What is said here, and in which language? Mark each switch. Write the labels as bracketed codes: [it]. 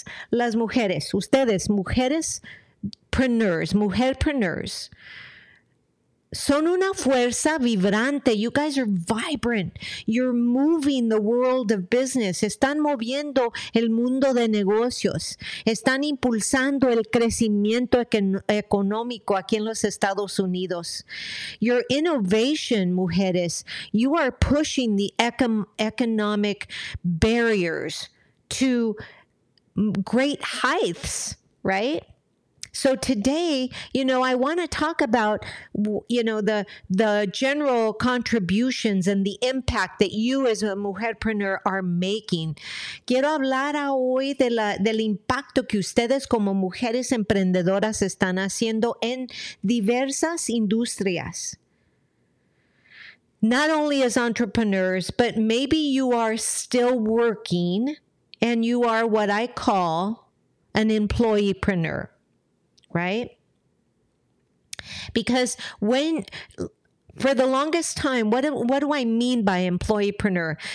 [es] Las mujeres, ustedes, mujerpreneurs, son una fuerza vibrante. [en] You guys are vibrant. You're moving the world of business. [es] Están moviendo el mundo de negocios. Están impulsando el crecimiento económico aquí en los Estados Unidos. [en] Your innovation, mujeres, you are pushing the economic barriers to great heights, right? So today, you know, I want to talk about, you know, the general contributions and the impact that you as a mujerpreneur are making. [es] Quiero hablar hoy del impacto que ustedes como mujeres emprendedoras están haciendo en diversas industrias. [en] Not only as entrepreneurs, but maybe you are still working and you are what I call an employeepreneur. Right? Because for the longest time, what do I mean by employeepreneur?